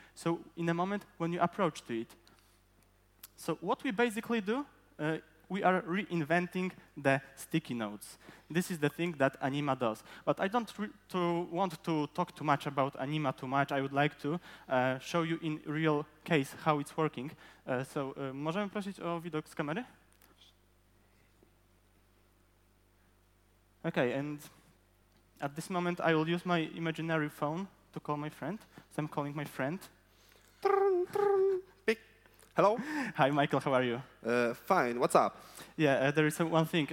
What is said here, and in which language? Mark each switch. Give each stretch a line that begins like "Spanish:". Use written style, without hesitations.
English: So in a moment when you approach to it. So what we basically do, we are reinventing the sticky notes. This is the thing that Anima does. But I don't want to talk too much about Anima too much. I would like to show you in real case how it's working.
Polish: So możemy prosić o widok z kamery?
English: Okay, and at this moment I will use my imaginary phone to call my friend. So I'm calling my friend. Hello. Hi, Michael. How are you? Fine. What's up? Yeah, there is one thing.